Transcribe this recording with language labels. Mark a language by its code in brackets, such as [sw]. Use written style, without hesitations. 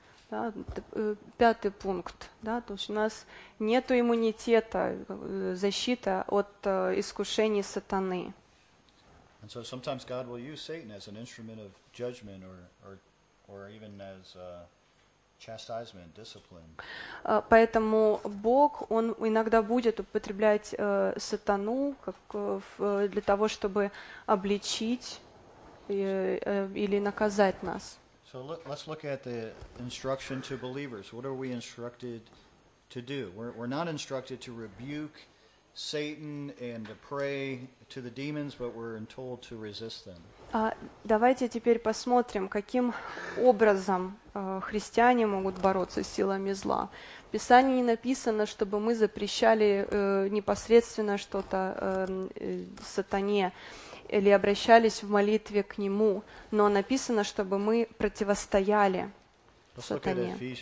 [ru] Да, пятый пункт, да, то есть у нас нету иммунитета, защита от искушений сатаны. [en] And so sometimes God will use Satan as an instrument of judgment or even as chastisement, discipline. [ru] Поэтому Бог, он иногда будет употреблять сатану как для того, чтобы обличить или наказать нас. [en] So let's look at the instruction to believers. What are we instructed to do? We're not instructed to rebuke Satan and to pray to the demons, but we're told to resist them. [ru] Давайте теперь посмотрим, каким образом христиане могут бороться с силами зла. В Писании не написано, чтобы мы запрещали непосредственно что-то сатане или обращались в молитве к нему, но написано, чтобы мы противостояли сатане.